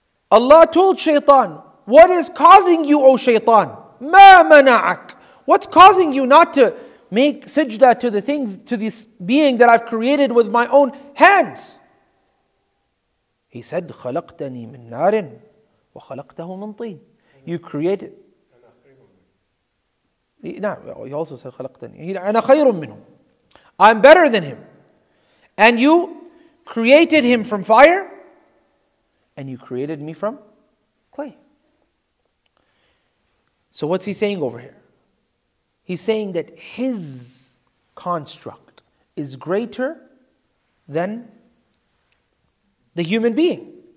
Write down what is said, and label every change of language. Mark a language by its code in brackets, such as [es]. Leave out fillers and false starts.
[en] Allah told Shaytan, what is causing you, O Shaytan? [ar] مَا مَنَعَكْ. [en] What's causing you not to make sijda to the things, to this being that I've created with my own hands? He said, [ar] خَلَقْتَنِي مِن نَارٍ وَخَلَقْتَهُ مِن طِينٍ. [en] You created. He also said, [ar] خَلَقْتَنِي. أَنَا خَيْرٌ مِنْهُ. [en] I'm better than him. And you created him from fire, and you created me from clay. So what's he saying over here? He's saying that his construct is greater than the human being.